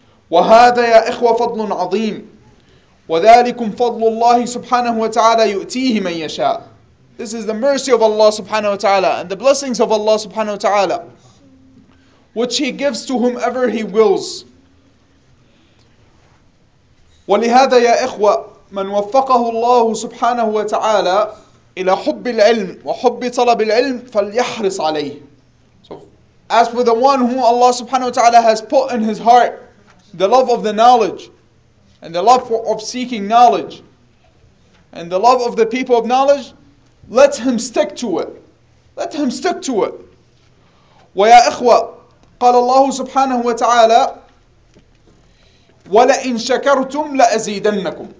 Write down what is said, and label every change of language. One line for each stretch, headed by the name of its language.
Arabic: وهذا يا إخوة فضل عظيم وذلكم فضل الله سبحانه وتعالى يؤتيه من يشاء.
English: This is the mercy of Allah subhanahu wa ta'ala and the blessings of Allah subhanahu wa ta'ala, which He gives to whomever He wills.
Arabic: ولهذا يا إخوة من وفقه الله سبحانه وتعالى إلى حب العلم وحب طلب العلم فليحرص عليه.
English: So, as for the one whom Allah subhanahu wa ta'ala has put in his heart, the love of the knowledge and the love of seeking knowledge and the love of the people of knowledge, let him stick to it. Let him stick to it.
Arabic: وَيَا إِخْوَى قَالَ اللَّهُ سُبْحَانَهُ وَتَعَالَى وَلَئِنْ شَكَرْتُمْ لَأَزِيدَنَّكُمْ.